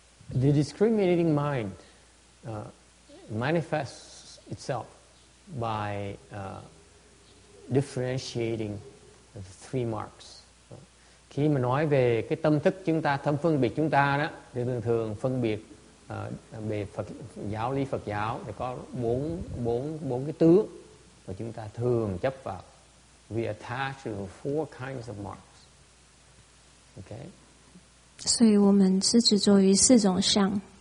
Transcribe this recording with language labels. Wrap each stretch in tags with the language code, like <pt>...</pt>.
<en>The discriminating mind manifests itself by differentiating the three marks.</en> <vi>Khi mà nói về cái tâm thức chúng ta, tâm phân biệt chúng ta đó, thì thường thường phân biệt về Phật giáo, lý Phật giáo thì có bốn cái tướng mà chúng ta thường chấp vào.</vi> <en>We attach to four kinds of marks. Okay.</en> <zh>所以我们是执着于四种相。</zh>